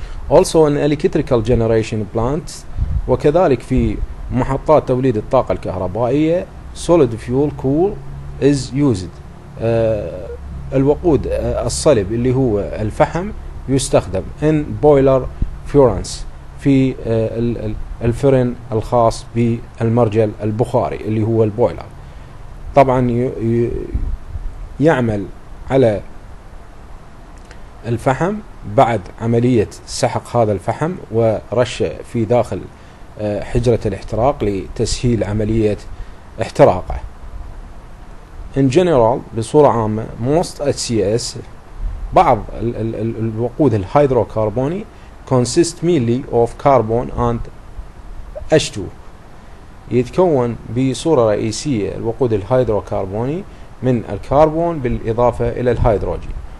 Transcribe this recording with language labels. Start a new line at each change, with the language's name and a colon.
English: Also in electrical generation plants،
Arabic: وكذلك في محطات توليد الطاقة الكهربائية،
English: solid fuel coal is used.
Arabic: الوقود الصلب اللي هو الفحم يستخدم
English: in boiler furnace،
Arabic: في الفرن الخاص بالمرجل البخاري اللي هو البويلر. طبعا يعمل على الفحم بعد عملية سحق هذا الفحم ورشه في داخل حجرة الاحتراق لتسهيل عملية احتراقه.
English: In general،
Arabic: بصورة عامة،
English: most HCS،
Arabic: بعض الوقود الهيدروكربوني
English: consist mainly of carbon and H2.
Arabic: يتكون بصورة رئيسية الوقود الهيدروكربوني من الكربون بالإضافة إلى الهيدروجين.